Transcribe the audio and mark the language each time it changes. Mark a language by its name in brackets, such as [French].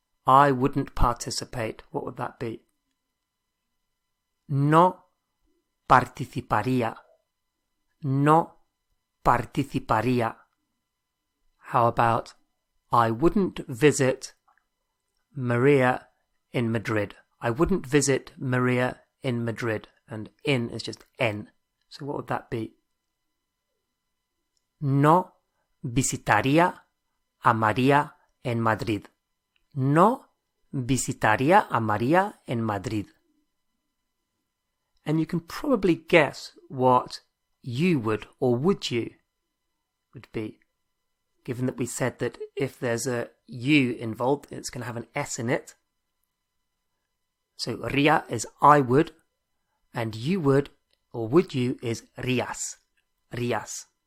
[English] I wouldn't participate. What would that be? [Spanish] No participaría. No participaría. [English] How about I wouldn't visit Maria in Madrid? I wouldn't visit Maria in Madrid. And in is just en. So what would that be? [Spanish] No visitaría a María en Madrid. No visitaría a María en Madrid. [English] And you can probably guess what you would, or would you, would be. Given that we said that if there's a you involved, it's going to have an S in it. So ría is I would, and you would, or would you, is rías, rías.